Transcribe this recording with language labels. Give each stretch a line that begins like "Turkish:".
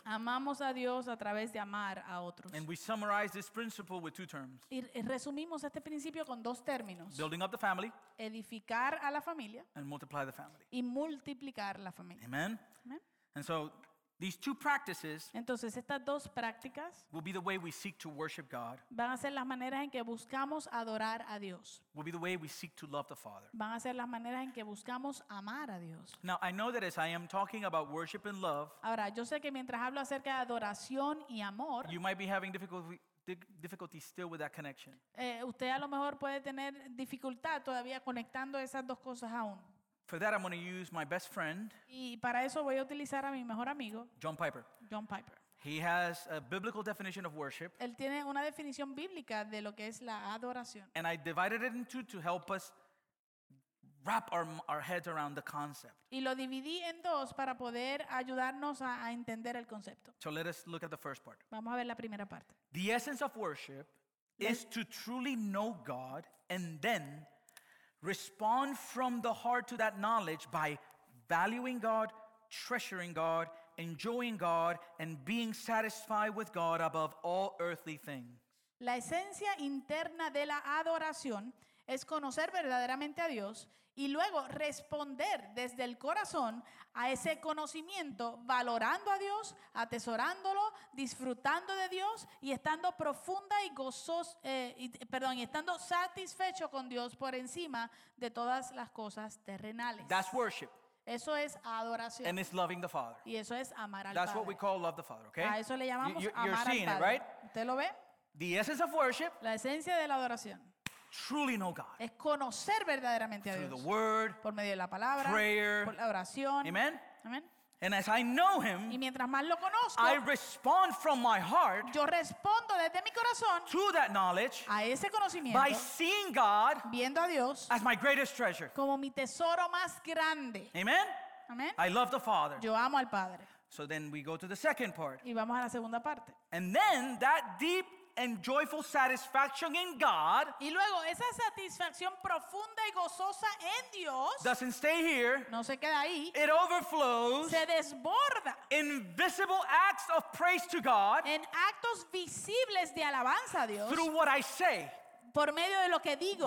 Spanish: Amamos a Dios a través de amar a otros.
English: And we summarize this principle with two terms.
Spanish: Y resumimos este principio con dos términos.
English: Building up the family.
Spanish: Edificar a la familia.
English: And multiply the family.
Spanish: Y multiplicar la familia.
English: Amen.
Spanish: Amen.
English: And so, these two practices,
Spanish: entonces, estas dos prácticas,
English: will be the way we seek to worship God.
Spanish: Van a ser las maneras en que buscamos adorar a Dios.
English: Will be the way we seek to love the Father.
Spanish: Van a ser las maneras en que buscamos amar a Dios.
English: Now I know that as I am talking about worship and love,
Spanish: ahora yo sé que mientras hablo acerca de adoración y amor,
English: you might be having difficulty still with that connection.
Spanish: Usted a lo mejor puede tener dificultad todavía conectando esas dos cosas aún.
English: For that, I'm going to use my best friend.
Spanish: Y para eso voy a utilizar a mi mejor amigo.
English: John Piper.
Spanish: John Piper.
English: He has a biblical definition of worship.
Spanish: Él tiene una definición bíblica de lo que es la adoración.
English: And I divided it into to help us wrap our heads around the concept.
Spanish: Y lo dividí en dos para poder ayudarnos a entender el concepto.
English: So let us look at the first part.
Spanish: Vamos a ver la primera parte.
English: The essence of worship is to truly know God and then respond from the heart to that knowledge by valuing God, treasuring God, enjoying God, and being satisfied with God above all earthly things.
Spanish: La esencia interna de la adoración es conocer verdaderamente a Dios y luego responder desde el corazón a ese conocimiento, valorando a Dios, atesorándolo, disfrutando de Dios y estando profunda y gozoso, y estando satisfecho con Dios por encima de todas las cosas terrenales.
English: That's worship.
Spanish: Eso es adoración.
English: And it's loving the Father.
Spanish: Y eso es amar al
English: That's
Spanish: Padre.
English: That's what we call love the Father, okay?
Spanish: A eso le llamamos
English: you're
Spanish: amar
English: you're
Spanish: al
English: seeing
Spanish: Padre.
English: It, right?
Spanish: ¿Usted lo ve?
English: The essence of worship.
Spanish: La esencia de la adoración.
English: Truly know God.
Spanish: Es conocer verdaderamente
English: through
Spanish: a Dios.
English: The word,
Spanish: por medio de la palabra.
English: Prayer,
Spanish: por la oración.
English: Amen.
Spanish: Amen.
English: And as I know him,
Spanish: y mientras más lo conozco,
English: I respond from my heart,
Spanish: yo respondo desde mi corazón,
English: to that knowledge,
Spanish: a ese conocimiento,
English: by seeing God,
Spanish: viendo a Dios,
English: as my greatest treasure,
Spanish: como mi tesoro más grande.
English: Amen.
Spanish: Amen.
English: I love the Father.
Spanish: Yo amo al Padre.
English: So then we go to the second part.
Spanish: Y vamos a la segunda parte.
English: And then that deep and joyful satisfaction in God.
Spanish: Y luego esa satisfacción profunda y gozosa en Dios.
English: Doesn't stay here.
Spanish: No se queda ahí.
English: It overflows.
Spanish: Se desborda.
English: In visible acts of praise to God.
Spanish: En actos visibles de alabanza a Dios.
English: Through what I say.
Spanish: Por medio de lo que digo.